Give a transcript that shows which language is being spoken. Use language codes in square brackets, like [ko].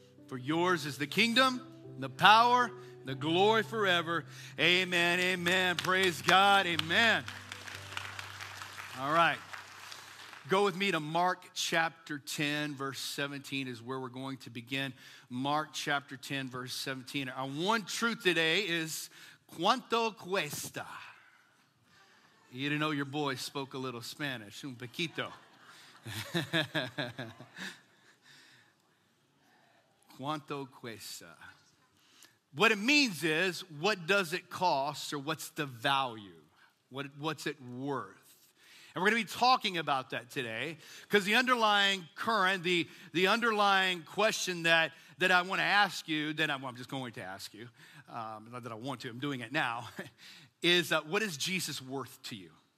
[en] For yours is the kingdom, the power, the glory forever. Amen, amen. Praise God, amen. All right. Go with me to Mark chapter 10, verse 17 is where we're going to begin. Mark chapter 10, verse 17. Our one truth today is, [es] ¿cuánto cuesta? [en] You didn't know your boy spoke a little Spanish. [es] Un poquito. ¿Cuánto cuesta? [en] What it means is, what does it cost, or what's the value? What's it worth? And we're going to be talking about that today, because the underlying current, the underlying question that I want to ask you, that I'm just going to ask you, not that I want to, I'm doing it now, is what is Jesus worth to you?